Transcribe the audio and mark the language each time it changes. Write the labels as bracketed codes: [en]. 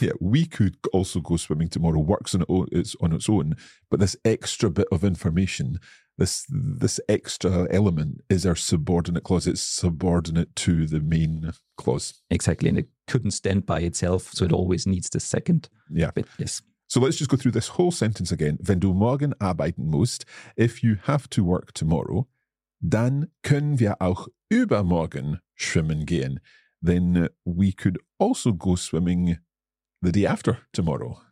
[en] Yeah, we could also go swimming tomorrow works on its own, but this extra bit of information, this extra element is our subordinate clause. It's subordinate to the main clause. Exactly, and it couldn't stand by itself, so it always needs the second bit. Yes. So let's just go through this whole sentence again. [de] Wenn du morgen arbeiten musst, [en] if you have to work tomorrow, [de] dann können wir auch übermorgen schwimmen gehen. [en] Then we could also go swimming the day after tomorrow.